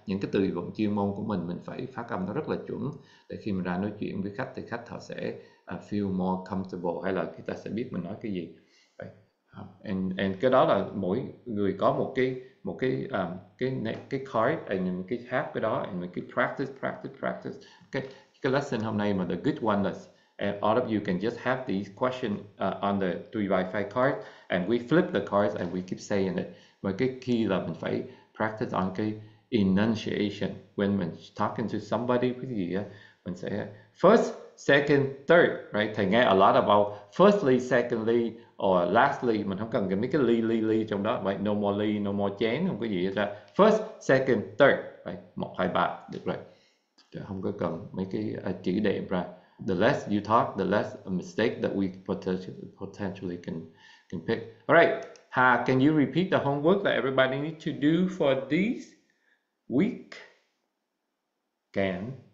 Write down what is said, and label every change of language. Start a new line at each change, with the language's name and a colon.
Vietnamese: Những cái từ vựng chuyên môn của mình phải phát âm nó rất là chuẩn, để khi mình ra nói chuyện với khách thì khách họ sẽ
English: feel more comfortable,
Vietnamese: hay là người ta sẽ biết mình nói cái gì.
English: And
Vietnamese: cái đó là mỗi người có một cái
English: card and
Vietnamese: mình cái
English: have
Vietnamese: cái đó
English: and
Vietnamese: mình cái
English: practice.
Vietnamese: Cái lesson hôm nay mà
English: the good one is all of you can just have these questions on the 3x5 card and we flip the cards and we keep saying it.
Vietnamese: Mà cái
English: key
Vietnamese: là mình phải
English: practice on
Vietnamese: cái
English: enunciation when
Vietnamese: mình
English: talking to somebody with you.
Vietnamese: Mình sẽ
English: first, second, third, right?
Vietnamese: Thầy nghe
English: a lot about firstly, secondly, or lastly.
Vietnamese: Mình không cần mấy cái ly trong đó,
English: right? No more ly, no more chén,
Vietnamese: không có gì hết.
English: First, second, third, right? 1, 2, 3,
Vietnamese: được rồi.
English: Right?
Vietnamese: Không có cần mấy cái chỉ đệm ra.
English: The less you talk, the less a mistake that we potentially can pick. All right, Ha, can you repeat the homework that everybody need to do for this week? Can.